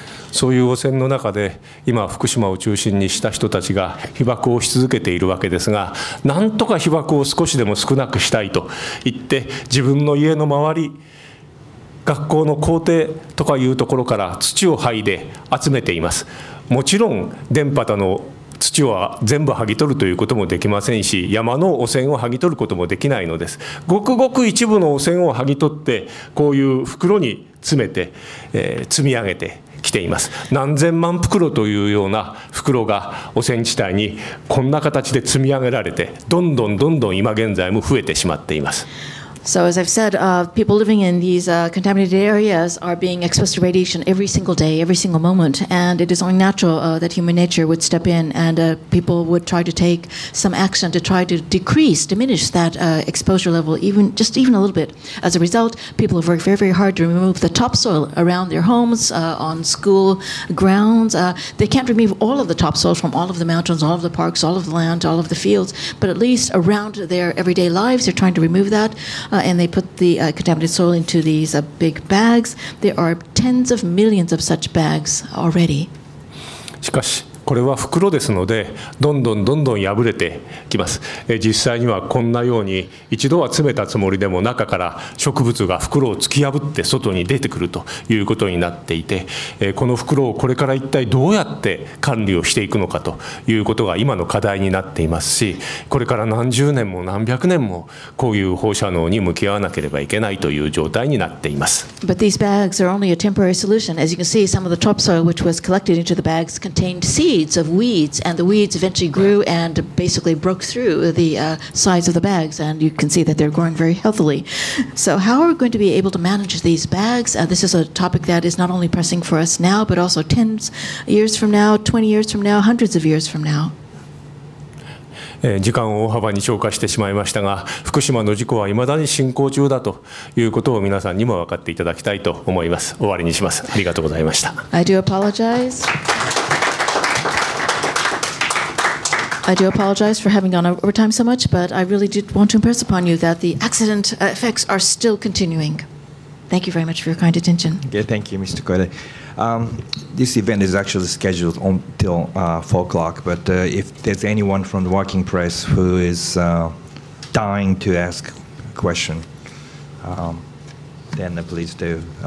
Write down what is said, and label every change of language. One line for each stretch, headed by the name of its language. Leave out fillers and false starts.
Japanese: そういう汚染の中で今福島を中心にした人たちが被爆をし続けているわけですが、なんとか被爆を少しでも少なくしたいと言って、自分の家の周り、学校の校庭とかいうところから土を剥いで集めています。もちろん電波の土は全部剥ぎ取るということもできませんし、山の汚染を剥ぎ取ることもできないのです。ごくごく一部の汚染を剥ぎ取って、こういう袋に詰めて、積み上げて来ています。何千万袋というような袋が汚染地帯にこんな形で積み上げられて、どんどんどんどん今現在も増えてしまっています。
English: So as I've said, people living in these contaminated areas are being exposed to radiation every single day, every single moment, and it is only natural that human nature would step in and people would try to take some action to try to diminish that exposure level, even a little bit. As a result, people have worked very, very hard to remove the topsoil around their homes, on school grounds. They can't remove all of the topsoil from all of the mountains, all of the parks, all of the land, all of the fields, but at least around their everyday lives, they're trying to remove that. And they put the contaminated soil into these big bags. There are tens of millions of such bags already.
Japanese: しかし、これは袋ですので、どんどんどんどん破れてきます。実際にはこんなように、一度は詰めたつもりでも中から植物が袋を突き破って外に出てくるということになっていて、この袋をこれから一体どうやって管理をしていくのかということが今の課題になっていますし、これから何十年も何百年もこういう放射能に向き合わなければいけないという状態になっています。
English: But these bags are only a temporary solution. As you can see, some of the topsoil which was collected into the bags contained seeds of weeds, and the weeds eventually grew and basically broke through the sides of the bags, and you can see that they're growing very healthily. So how are we going to be able to manage these bags? This is a topic that is not only pressing for us now, but also 10 years from now, 20 years from now, hundreds of years from now.
Japanese: 時間を大幅に超過してしまいましたが、福島の事故は未だに進行中だということを皆さんにも分かっていただきたいと思います。終わりにします。ありがとうございました。
English: I do apologize. I do apologize for having gone over time so much, but I really did want to impress upon you that the accident effects are still continuing. Thank you very much for your kind attention. Okay, thank you, Mr. Koide. This event is actually scheduled until 4 o'clock, but if there's anyone from the working press who is dying to ask a question, then please do.